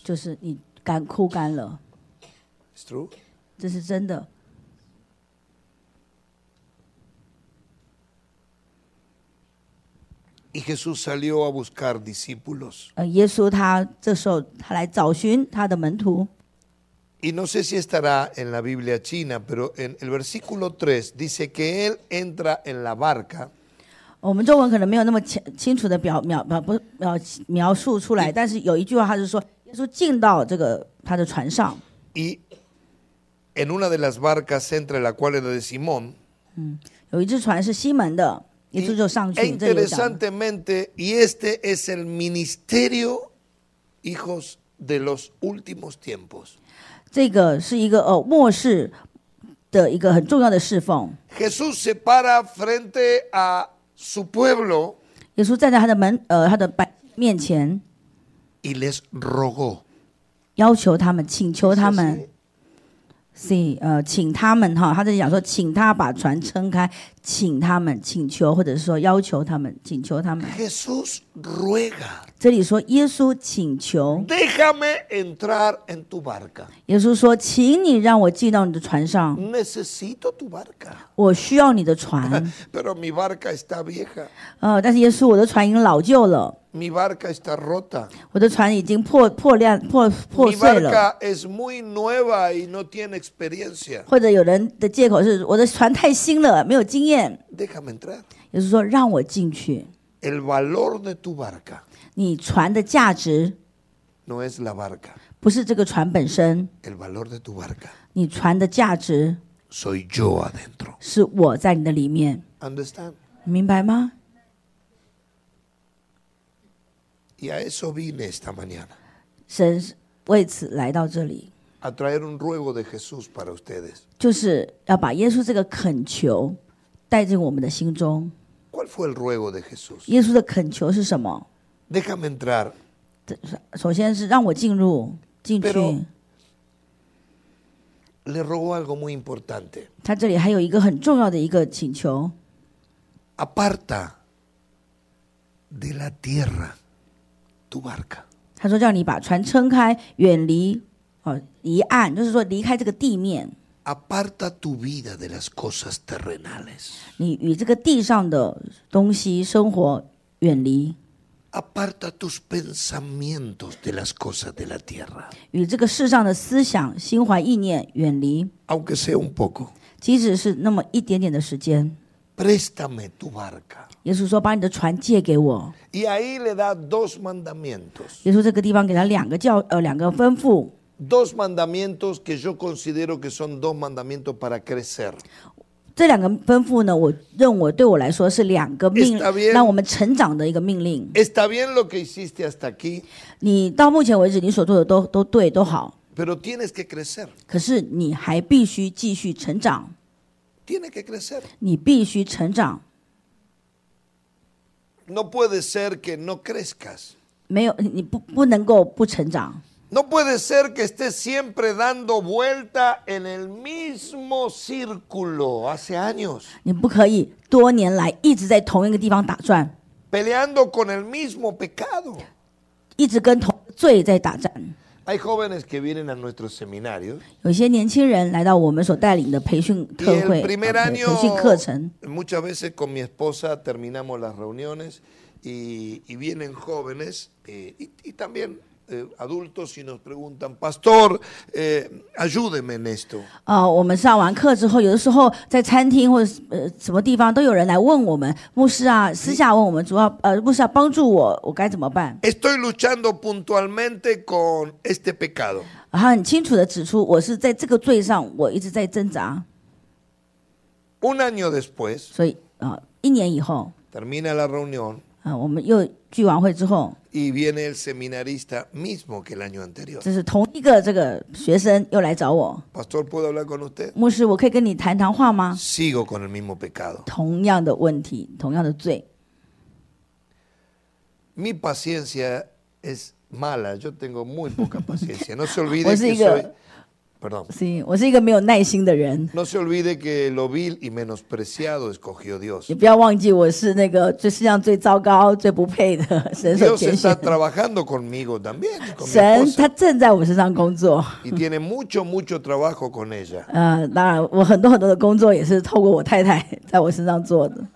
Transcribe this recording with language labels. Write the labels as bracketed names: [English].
[Chinese] 就是你干枯干了 [English] It's true, [Chinese] 这是真的 [Spanish] Y Jesús salió a buscar discípulos, [Chinese] 耶稣他这时候他来找寻他的门徒 [Spanish] Y no sé si estará en la Biblia china, pero en el versículo 3 dice que él entra en la barca. [Chinese] 我们中文可能没有那么清楚的描述出来，但是有一句话，他是说耶稣进到这个他的船上。 [Spanish] Y en una de las barcas entre la cual era de Simón。 [Chinese] 有一只船是西门的，耶稣就上去。 [Spanish] Interesantemente, y este es el ministerio hijos de los últimos tiempos。 [Chinese] 这个是一个末世的一个很重要的侍奉。 [Spanish] Jesús se para frente a Su pueblo, [Chinese] 耶稣站在他的门他的面前 [Spanish] y les rogó, [Chinese] 要求他们请求他们 [Spanish] sí, [Chinese] 请他们哈他在讲说请他把船撑开请他们请求或者是说要求他们请求他们 [Spanish] Jesús ruega, [Chinese] 这里说耶稣请求 [Spanish] déjame entrar en tu barca, [Chinese] 耶稣说请你让我进到你的船上 [Spanish] necesito tu barca, [Chinese] 我需要你的船 [Spanish] pero mi barca está vieja, [Chinese] 但是耶稣我的船已经老旧了 [Spanish] Mi barca está rota. [Chinese] 我的船已经破碎了。 [Spanish] Mi barca es muy nueva y no tiene experiencia. [Chinese] 或者有人的借口是我的船太新了，没有经验。 [Spanish] Déjame entrar. [Chinese] 也是说让我进去。 [Spanish] El valor de tu barca. [Chinese] 你船的价值。 [Spanish] No es la barca. [Chinese] 不是这个船本身。 [Spanish] El valor de tu barca. [Chinese] 你船的价值。 [Spanish] Soy yo adentro. [Chinese] 是我在你的里面。 [English] Understand? [Chinese] 明白吗？ [Spanish] Y a eso vine esta mañana. [Chinese] 神为此来到这里。 [Spanish] A traer un ruego de Jesús para ustedes. [Chinese] 就是要把耶稣这个恳求带进我们的心中。 [Spanish] ¿Cuál fue el ruego de Jesús? [Chinese] 耶稣的恳求是什么？ [Spanish] Déjame entrar. [Chinese] 首先是让我进入，进去。 [Spanish] Pero le rogó algo muy importante. [Chinese] 他这里还有一个很重要的一个请求。 [Spanish] Aparta de la tierra. Tu barca. [Chinese] 他说叫你把船撑开远离离岸就是说离开这个地面 [Spanish] Aparta tu vida de las cosas terrenales. [Chinese] 你与这个地上的东西生活远离 [Spanish] Aparta tus pensamientos de las cosas de la tierra. [Chinese] 与这个世上的思想心怀意念远离 [Spanish] Aunque sea un poco. [Chinese] 即使是那么一点点的时间 [Spanish] Préstame tu barca. [Chinese] 耶稣说：“把你的船借给我。” [Spanish] Y ahí le da dos mandamientos. [Chinese] 耶稣这个地方给他两个教两个吩咐。 [Spanish] Dos mandamientos que yo considero que son dos mandamientos para crecer. [Chinese] 这两个吩咐呢，我认为对我来说是两个命令，让我们成长的一个命令。 [Spanish] Está bien lo que hiciste hasta aquí. [Chinese] 你到目前为止你所做的都对，都好。 [Spanish] Pero tienes que crecer. [Chinese] 可是你还必须继续成长。 [Spanish] Tiene que crecer. [Chinese] 你必须成长。 [Spanish] No puede ser que no crezcas. [Chinese] 没有，你不能够不成长。 [Spanish] No puede ser que estés siempre dando vuelta en el mismo círculo hace años. [Chinese] 你不可以多年来一直在同一个地方打转。 [Spanish] Peleando con el mismo pecado. [Chinese] 一直跟同罪在打战。 [Spanish] Hay jóvenes que vienen a nuestros seminarios. [Chinese] 有些年轻人来到我们所带领的培训特会。 [Spanish] Y el primer año, [Chinese] 培训课程。 [Spanish] Muchas veces con mi esposa terminamos las reuniones y vienen jóvenes y también. Adultos y nos preguntan, Pastor, ayúdeme en esto. [Chinese] 我们上完课之后，有的时候在餐厅或者什么地方都有人来问我们，牧师啊，私下问我们，主要牧师啊，帮助我，我该怎么办 [Spanish] ？Estoy luchando puntualmente con este pecado. [Chinese] 他很清楚的指出，我是在这个罪上，我一直在挣扎。 [Spanish] Un año después. [Chinese] 所以一年以后。 [Spanish] Termina la reunión. [Chinese] 我们又聚完会之后。 [Spanish] Y viene el seminarista mismo que el año anterior. [Chinese] 这是同一个这个学生又来找我。 [Spanish] Pastor, puedo hablar con usted? [Chinese] 牧师，我可以跟你谈谈话吗 [Spanish] ？Sigo con el mismo pecado. [Chinese] 同样的问题，同样的罪。 [Spanish] Mi paciencia es mala. Yo tengo muy poca paciencia. No se olvide que soy. Perdón. Sí, [Chinese] 我是一个没有耐心的人。 [Spanish] No se olvide que lo vil y menospreciado escogió Dios. [Chinese] 你不要忘记我是那个世界上最糟糕、最不配的神所拣选。 [Spanish] Dios está trabajando conmigo también. [Chinese] 神他正在我身上工作。 [Spanish] Y tiene mucho, mucho trabajo con ella. [Chinese] 当然，我很多很多的工作也是透过我太太在我身上做的。